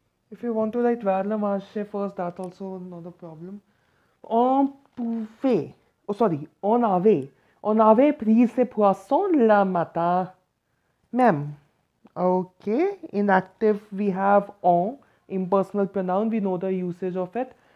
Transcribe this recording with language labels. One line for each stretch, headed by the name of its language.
English: If you want to write
French: vers le marché
English: first, that's also not a problem.
French: On pouvait,
English: oh sorry,
French: on avait pris ses poissons le matin même.
English: Okay, in active we have on, impersonal pronoun, we know the usage of it.